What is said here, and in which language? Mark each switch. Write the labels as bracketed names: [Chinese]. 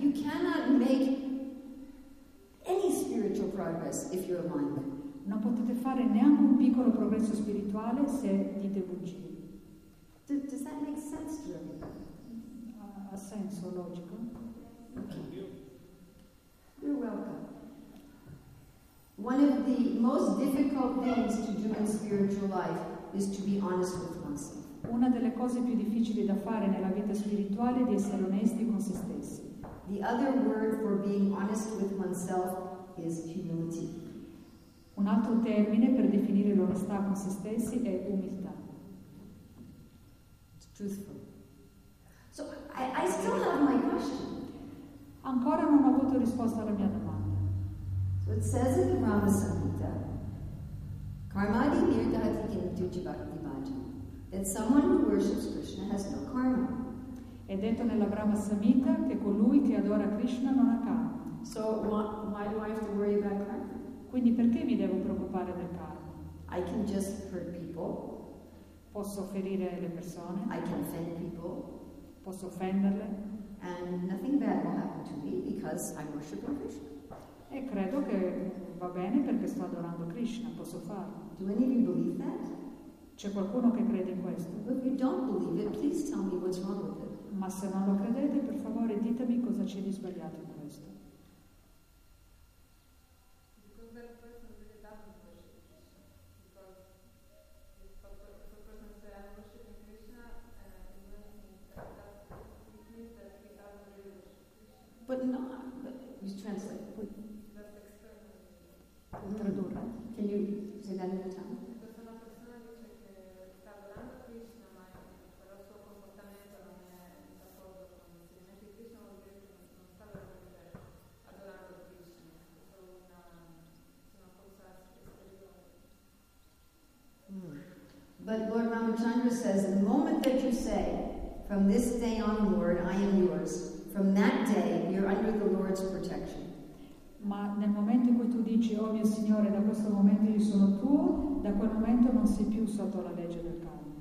[English] You cannot make any spiritual progress if you're lying. [Italian] Non potete fare neanche un piccolo progresso spirituale se dite bugie. [English] Does that make sense to everybody? [Italian] Ha senso, logico. [English] Thank you. You're welcome. One of the most difficult things to do in spiritual life is to be honest with oneself. [Italian] Una delle cose più difficili da fare nella vita spirituale è di essere onesti con se stessi. [English] The other word for being honest with oneself is humility. [Italian] Un altro termine per definire l'onestà con se stessi è umiltà. [English] It's truthful. So I still have my question. [Italian] Ancora non ho avuto risposta alla mia domanda. [English] So it says in the Brahma Samhita, Karmadi Nirdhati Kintuji Bhakti Bhaja, that someone who worships Krishna has no karma. [Italian] È detto nella Brahma Samhita che colui che adora Krishna non ha karma. [English] So why do I have to worry about karma? [Italian] Quindi perché mi devo preoccupare del karma? [English] I can just hurt people. [Italian] Posso ferire le persone. [English] I can offend people. [Italian] Posso offenderle. [English] And nothing bad will happen to me because I worship Krishna. [Italian] E credo che va bene perché sto adorando Krishna, posso farlo. [English] Do any of you believe that? [Italian] C'è qualcuno che crede in questo? [English] But if you don't believe it, please tell me what's wrong with it. [Italian] Ma se non lo credete, per favore ditemi cosa c'è di sbagliato in questo. [English] But no, you translate. [Italian] Tradurre. [English] Can you say that in Italian? Thank you. But Lord Ramachandra says, the moment that you say, from this day on, Lord, I am yours, from that day, you're under the Lord's protection. [Italian] Ma nel momento in cui tu dici, oh mio Signore, da questo momento io sono tuo, da quel momento non sei più sotto la legge del karma.